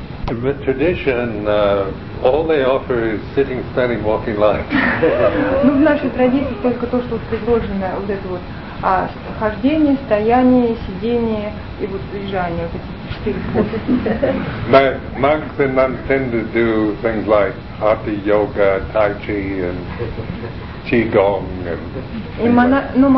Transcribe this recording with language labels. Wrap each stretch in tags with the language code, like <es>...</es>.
<en>The tradition, all they offer is sitting, standing, walking, lying.</en> <ru>Ну, в нашей традиции только то, что предложено, вот это вот хождение, стояние, сидение и вот лежание, вот эти четыре позы.</ru> <en>Monks and nuns tend to do things like hatha yoga, tai chi and qigong and.</en>